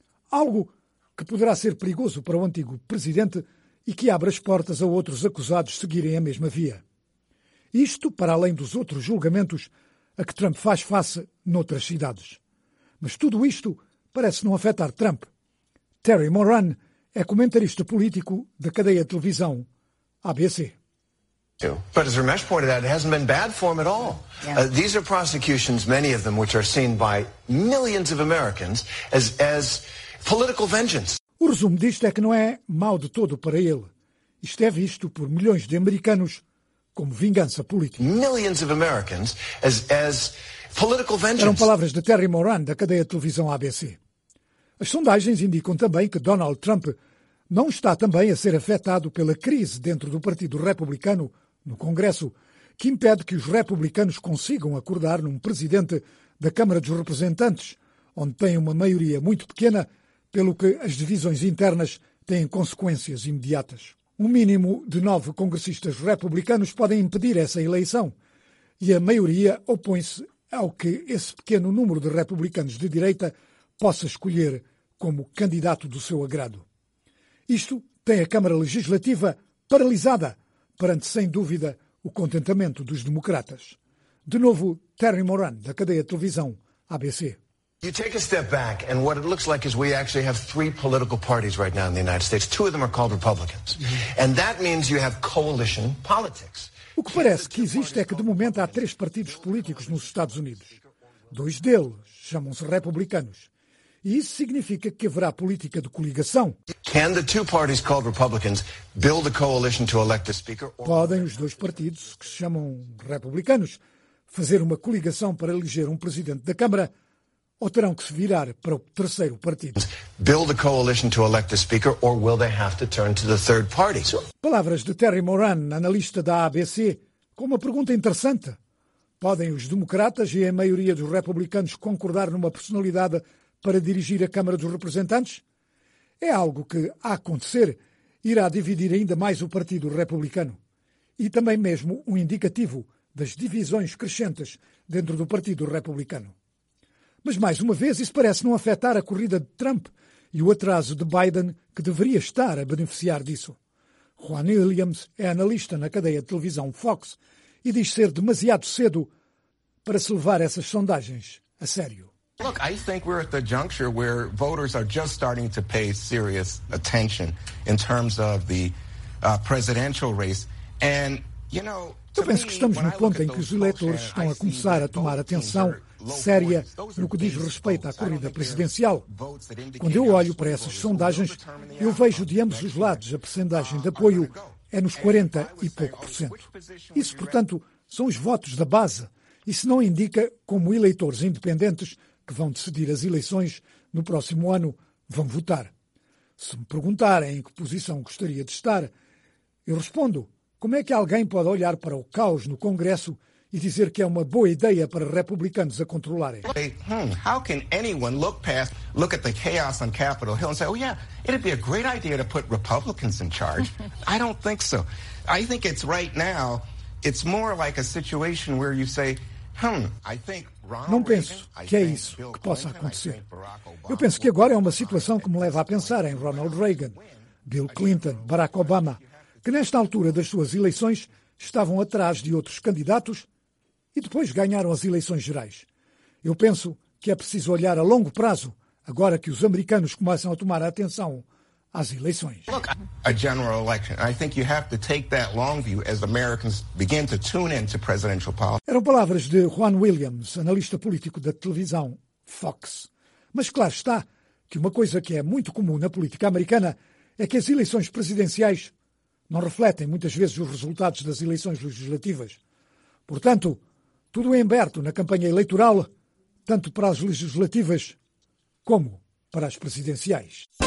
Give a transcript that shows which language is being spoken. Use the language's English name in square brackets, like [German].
[Portuguese] Algo que poderá ser perigoso para o antigo presidente e que abre as portas a outros acusados seguirem a mesma via. Isto para além dos outros julgamentos a que Trump faz face noutras cidades. Mas tudo isto parece não afetar Trump. Terry Moran é comentarista político da cadeia de televisão ABC. [English] But as Ramesh pointed out, it hasn't been bad for him at all. Yeah. These are prosecutions, many of them, which are seen by millions of Americans as political vengeance. [Portuguese] O resumo disto é que não é mau de todo para ele. Isto é visto por milhões de americanos como vingança política. [English] Millions of Americans as political vengeance. [Portuguese] Eram palavras de Terry Moran, da cadeia de televisão ABC. As sondagens indicam também que Donald Trump não está também a ser afetado pela crise dentro do Partido Republicano, no Congresso, que impede que os republicanos consigam acordar num presidente da Câmara dos Representantes, onde tem uma maioria muito pequena, pelo que as divisões internas têm consequências imediatas. Um mínimo de 9 congressistas republicanos podem impedir essa eleição, e a maioria opõe-se ao que esse pequeno número de republicanos de direita possa escolher como candidato do seu agrado. Isto tem a Câmara Legislativa paralisada perante, sem dúvida, o contentamento dos democratas. De novo, Terry Moran, da cadeia de televisão ABC. [English] You take a step back, and what it looks like is we actually have 3 political parties right now in the United States. 2 of them are called Republicans. And that means you have coalition politics. [Portuguese] O que parece que existe é que, de momento, há 3 partidos políticos nos Estados Unidos. 2 deles chamam-se republicanos. E isso significa que haverá política de coligação. [English] Can the 2 parties called Republicans build a coalition to elect the speaker? [Portuguese] Podem os 2 partidos que se chamam republicanos fazer uma coligação para eleger um presidente da Câmara, ou terão que se virar para o 3º partido? [English] Build a coalition to elect the speaker, or will they have to turn to the 3rd party? [Portuguese] Palavras de Terry Moran, analista da ABC, com uma pergunta interessante. Podem os democratas e a maioria dos republicanos concordar numa personalidade para dirigir a Câmara dos Representantes? É algo que, a acontecer, irá dividir ainda mais o Partido Republicano. E também mesmo um indicativo das divisões crescentes dentro do Partido Republicano. Mas, mais uma vez, isso parece não afetar a corrida de Trump e o atraso de Biden, que deveria estar a beneficiar disso. Juan Williams é analista na cadeia de televisão Fox e diz ser demasiado cedo para se levar essas sondagens a sério. [English] Look, I think we're at the juncture where voters are just starting to pay serious attention in terms of the presidential race. And, you know, [Portuguese] eu penso que estamos no ponto em que os eleitores estão a começar a tomar atenção séria no que diz respeito à corrida presidencial. Quando eu olho para essas sondagens, eu vejo de ambos os lados a percentagem de apoio é nos 40% e pouco. Isso, portanto, são os votos da base. Isso não indica como eleitores independentes que vão decidir as eleições no próximo ano vão votar. Se me perguntarem em que posição gostaria de estar, eu respondo: como é que alguém pode olhar para o caos no Congresso e dizer que é uma boa ideia para republicanos a controlarem? [English] How can anyone look past, look at the chaos on Capitol Hill and say, "Oh yeah, it'd be a great idea to put Republicans in charge"? I don't think so. I think it's right now, it's more like a situation where you say, I think [Portuguese] não penso que é isso que possa acontecer. Eu penso que agora é uma situação que me leva a pensar em Ronald Reagan, Bill Clinton, Barack Obama, que nesta altura das suas eleições estavam atrás de outros candidatos e depois ganharam as eleições gerais. Eu penso que é preciso olhar a longo prazo, agora que os americanos começam a tomar atenção às eleições. [English] A general election. I think you have to take that long view as Americans begin to tune into presidential policy. [Portuguese] Eram palavras de Juan Williams, analista político da televisão Fox. Mas claro está que uma coisa que é muito comum na política americana é que as eleições presidenciais não refletem muitas vezes os resultados das eleições legislativas. Portanto, tudo em aberto na campanha eleitoral, tanto para as legislativas como para as presidenciais.